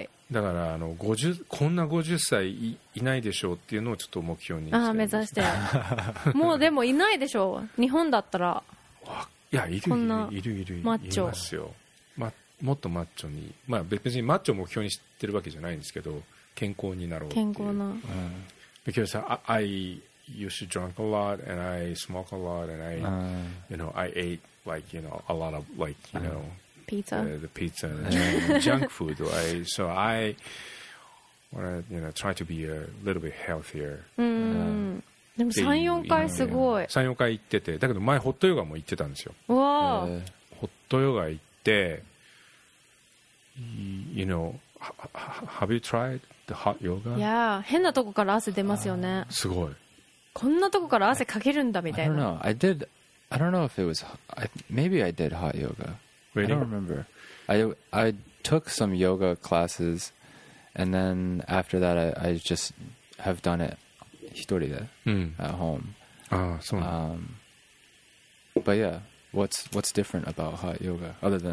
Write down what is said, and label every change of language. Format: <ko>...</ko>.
<ja>うん、だからあの50こんな50歳 いないでしょうっていうのをちょっと目標にしてあ目指してもうでもいないでしょう日本だったらいやいるいるいるいるマッチョいますよもっとマッチョに、まあ、別にマッチョを目標にしてるわけじゃないんですけど健康になろうっていう健康な、</ja> <en>うん、Because I used to drink a lot and I smoke a lot and I,、you know, I ate like, you know, a lot of like, you know, pizza the pizza and junk food I, so I wanna, you know, try to be a little bit healthier、</en> <ja>でも 3,4 回すごい 3,4 回行っててだけど前ホットヨガも行ってたんですよわ、ホットヨガ行って</ja> <en>You know, have you tried the hot yoga?</en> <ja>Yeah, 変なとこから汗出ますよね。すごい。こんなとこから汗かけるんだみたいな。</ja> <en>I don't know. I did. I don't know if it was. Maybe I did hot yoga. Really? I don't remember. I took some yoga classes, and then after that, I just have done it</en> <ja>一人で、</ja> <en>at home. Ah, so. But yeah. What's different about hot yoga other than</en>